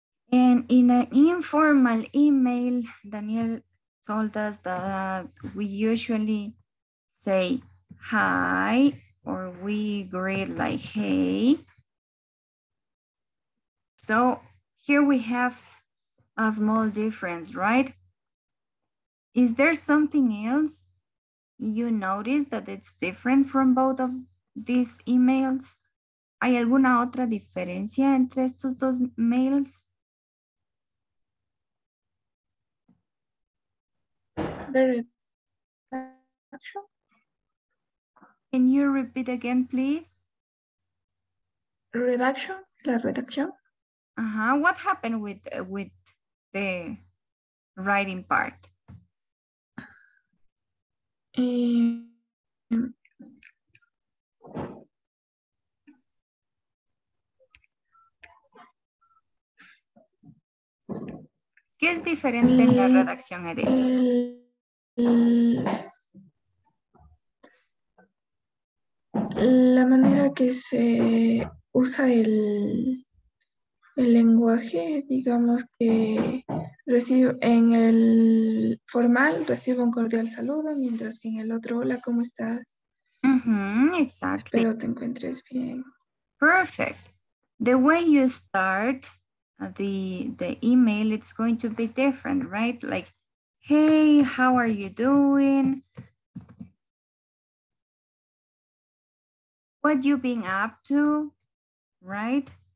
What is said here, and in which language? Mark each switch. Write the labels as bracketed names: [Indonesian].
[English] And in an informal email, Daniel told us that we usually say, hi, or we greet like hey. So here we have a small difference, right? Is there something else you notice that it's different from both of these emails? [Spanish] ¿Hay alguna otra diferencia entre estos dos mails? [English] There is. Can you repeat again, please? [Spanish] Redaction, la redacción. [English] Uh-huh. What happened with the writing part? [Spanish] ¿Qué es diferente en la redacción, Edith? La manera que se usa el lenguaje, digamos que recibo, en el formal recibo un cordial saludo, mientras que en el otro, hola, ¿cómo estás? [English] Mm-hmm, exactly. [Spanish] Espero te encuentres bien. [English] Perfect. The way you start the email, it's going to be different, right? Like, hey, how are you doing? What you been up to, right?